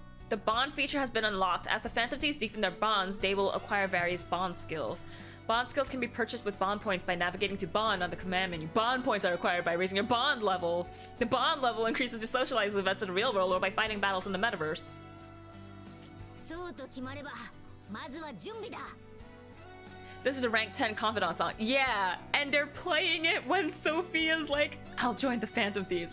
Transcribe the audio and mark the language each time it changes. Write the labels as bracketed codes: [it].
[en] The bond feature has been unlocked. As the Phantoms deepen their bonds, they will acquire various bond skills. Bond skills can be purchased with bond points by navigating to bond on the command menu. Bond points are acquired by raising your bond level. The bond level increases to socialize with events in the real world or by fighting battles in the metaverse. [ja] そうと決まれば、まずは準備だ。 [en] This is a rank 10 confidant song. Yeah, and they're playing it when Sophia's like, I'll join the Phantom Thieves.